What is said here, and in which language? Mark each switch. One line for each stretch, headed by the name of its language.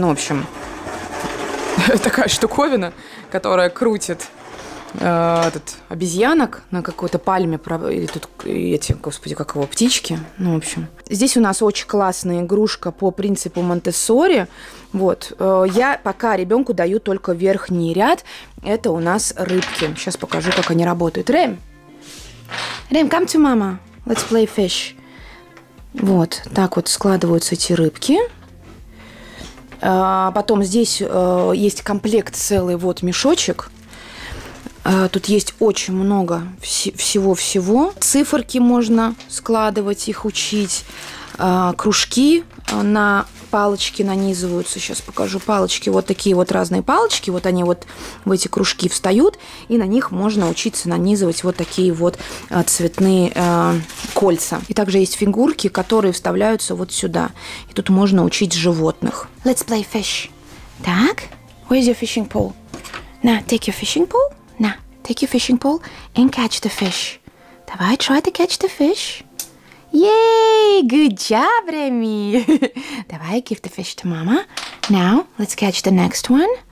Russian: Ну, в общем, такая штуковина, которая крутит этот обезьянок на какой-то пальме, или тут эти, господи, как его, птички. Ну, в общем, здесь у нас очень классная игрушка по принципу Монтессори. Вот, я пока ребенку даю только верхний ряд. Это у нас рыбки. Сейчас покажу, как они работают.
English: Рэм, come to mama. Let's play fish.
Russian: Вот, так вот складываются эти рыбки. Потом здесь есть комплект целый, вот мешочек. Тут есть очень много всего-всего. Циферки можно складывать, их учить. Кружки на палочки нанизываются. Сейчас покажу палочки. Вот такие вот разные палочки. Вот они вот в эти кружки встают. И на них можно учиться нанизывать вот такие вот цветные кольца. И также есть фигурки, которые вставляются вот сюда. И тут можно учить животных.
English: Let's play fish.
Russian: Так.
English: Where's your fishing pole? Now, take your fishing pole.
Russian: На,
English: take your fishing pole and catch the fish.
Russian: Давай,
English: try to catch the fish. Yay, good job, Remy.
Russian: Давай,
English: give the fish to mama. Now, let's catch the next one.